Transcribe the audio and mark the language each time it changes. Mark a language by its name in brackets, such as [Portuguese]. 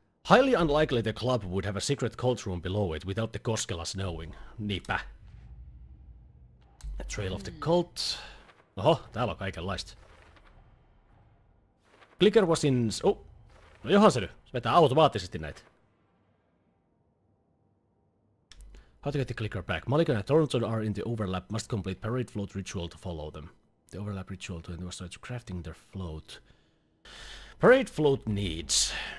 [English] Highly unlikely the club would have a secret cult room below it without the Koskelas knowing. Niipä. A trail of the cult. [Finnish] Oho, täällä on kaikenlaista. [English] Clicker was in... Oh! [Finnish] No johan se nyt! Se vetää automaattisesti näitä. [English] How to get the clicker back? Malika and Thornton are in the overlap, must complete parade float ritual to follow them. The overlap ritual to demonstrate crafting their float. Parade float needs.